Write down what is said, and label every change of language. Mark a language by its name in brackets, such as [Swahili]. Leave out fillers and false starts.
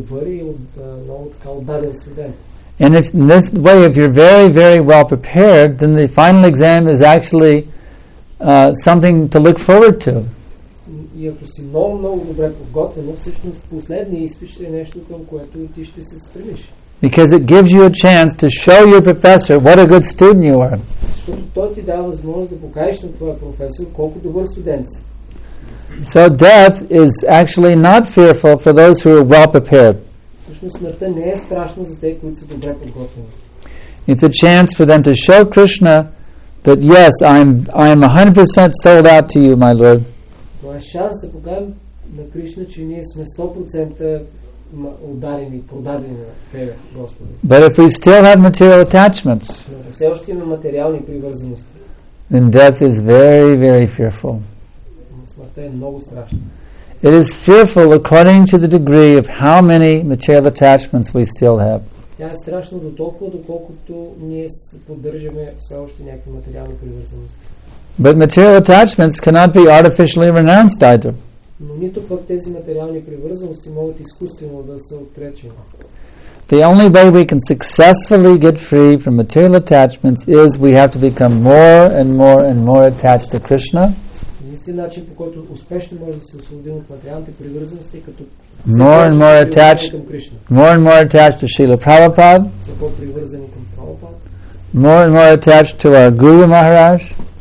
[English] And if in this way, if you're very, very well prepared, then the final exam is actually something to look forward to. [Bulgarian] И ако си много, много добре подготвен, всъщност последния изпит е нещо, към което ти ще се стремиш. [English] Because it gives you a chance to show your professor what a good student you are. [Bulgarian] Защото той ти дава възможност да покажеш на твоя професор колко добър студент си. [English] So death is actually not fearful for those who are well prepared. [Bulgarian] Всъщност смъртта не е страшна за тези, които са добре подготвени. [English] It's a chance for them to show Krishna that yes, I'm 100% sold out to you, my Lord. [Bulgarian] Това е шанс да покажем на Кришна, че ние сме 100% ударени, продадени на Тебе, Господи. [English] But if we still have material attachments, [Bulgarian] но все още имаме материални привързаности, [English] then death is very, very fearful. [Bulgarian] Смъртта е много страшна. [English] It is fearful according to the degree of how many material attachments we still have. [Bulgarian] Тя е страшна до толкова, доколкото ние поддържаме все още някакви материални привързаности. [English] But material attachments cannot be artificially renounced either. [Bulgarian] Но нито пък тези материални привързаности могат изкуствено да се отречени. [English] The only way we can successfully get free from material attachments is we have to become more and more and more attached to Krishna. [Bulgarian] Единствен начин, по който успешно може да се освободим от материалните привързаности, като [English] more and more attached [Bulgarian] към Кришна. [English] More and more attached to Srila Prabhupada. [Bulgarian] Все по-привързани към Прабхупада. [English] More and more attached to our Guru Maharaj.